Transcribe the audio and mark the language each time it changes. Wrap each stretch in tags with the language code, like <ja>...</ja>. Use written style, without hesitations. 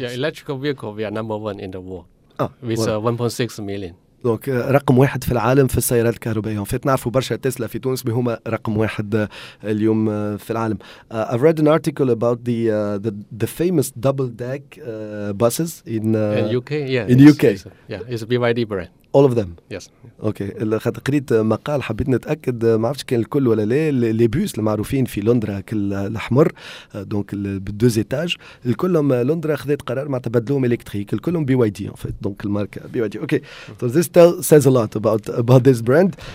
<en>Yeah, electrical vehicle, we are number one in the world. With 1.6 million.</en> <ar>دونك رقم واحد في العالم في السيارات الكهربائية. فتنعرفوا برشا تسلا في تونس بهما رقم واحد اليوم في العالم.</ar> <en>I've read an article about the famous double deck buses in UK. It's a BYD brand. All of them. Yes. Okay.</en> <ar>خد قريت مقال حبيت نتأكد ما عرفتش كان الكل ولا لا. لي بوس المعروفين في لندرا كل الأحمر، دونك بالدوز إتاج، الكلهم لندرا خذت قرار ما تبدلوهم إلكتريك، الكلهم بي واي دي. دونك الماركة بي واي دي. Okay.</ar> <en>So this says a lot about this brand.</en>